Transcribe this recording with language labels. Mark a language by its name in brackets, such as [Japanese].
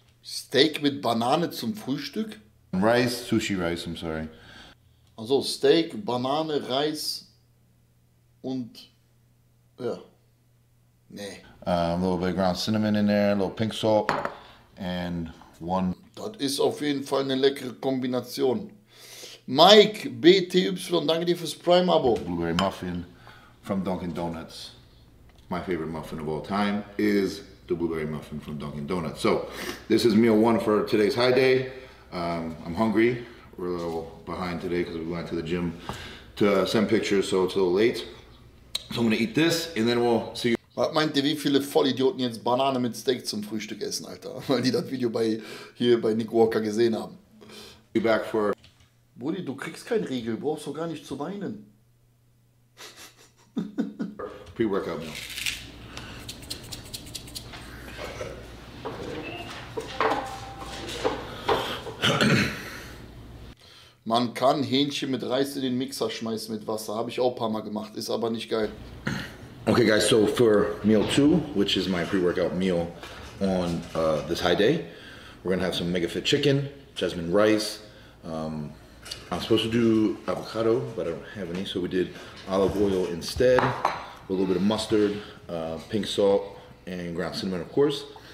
[German] Steak mit Banane zum Frühstück? [English] Rice, sushi rice, I'm sorry. [German] Also Steak, Banane, Reis und, ja, nee. [English] A little bit of ground cinnamon in there, a little pink salt and one. [German] Das ist auf jeden Fall eine leckere Kombination. Mike, BTY, danke dir fürs Prime-Abo. [English] Blueberry Muffin from Dunkin' Donuts. My favorite muffin of all time is the Blueberry Muffin from Dunkin' Donuts. So, this is meal one for today's high day. I'm hungry. We're a little behind today because we went to the gym to send pictures, so it's a little late. So I'm going to eat this and then we'll see you. [German] Was meint ihr, wie viele Vollidioten jetzt Banane mit Steak zum Frühstück essen, Alter? Weil die das Video hier bei Nick Walker gesehen haben. [English] Be back for... [German] Brudi, du kriegst keinen Riegel, brauchst du gar nicht zu weinen. [English] Pre-workout meal. [German] Man kann Hähnchen mit Reis in den Mixer schmeißen mit Wasser. Habe ich auch ein paar Mal gemacht, ist aber nicht geil. [English] Okay guys, so for meal two, which is my pre-workout meal on this high day, we're gonna have some mega fit chicken, jasmine rice. I'm supposed to do avocado, but I don't have any, so we did olive oil instead, with a little bit of mustard, pink salt, and ground cinnamon, of course.